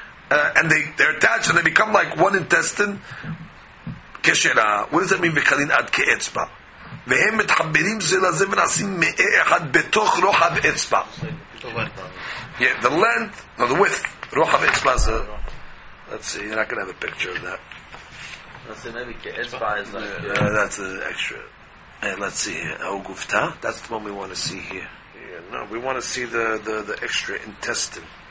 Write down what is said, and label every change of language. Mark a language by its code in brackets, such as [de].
[en] And they're attached and they become like one intestine. Kishera. What does that mean, [he] vekalin ad ke'etzpa? והם מתחברים זה לזה ונעשים מאה אחד בתוך רוחב אצבע. [en] Yeah, the length, no, the width. [he] רוחב אצבע [en] is a... Let's see, you're not going to have a picture of that. Let's see, maybe כאצבע is like... That's an extra... And let's see here. Oh, גופתה? That's the one we want to see here. Yeah, no, we want to see the extra intestine.